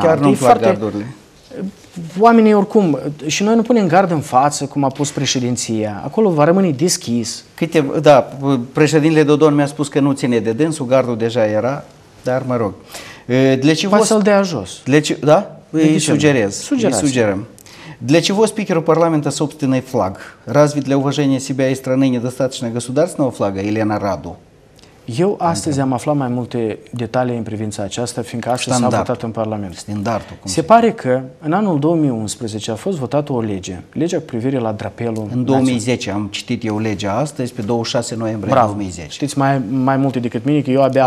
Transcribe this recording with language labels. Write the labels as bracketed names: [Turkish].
[Romanian] Chiar nu-mi plac gardurile. Oamenii oricum, și noi nu punem gard în față, cum a pus președinția, acolo va rămâne deschis. Da, președintele Dodon mi-a spus că nu ține de dânsul, gardul deja era, dar mă rog. Dlecivos, să-l dea jos. Da? Îi sugerăm. [Russian] Для чего спикеру парламента собственный флаг? Разве для уважения себя и страны недостаточно государственного флага, Елена Раду? [Romanian] Eu astăzi am aflat mai multe detalii în privința aceasta, fiindcă astăzi s-a votat în Parlament. Standardul. Se pare că în anul 2011 a fost votată o lege, legea cu privire la drapelul național. În 2010 am citit eu legea astăzi, pe 26 noiembrie Bravo. 2010. Știți mai multe decât mine, că eu abia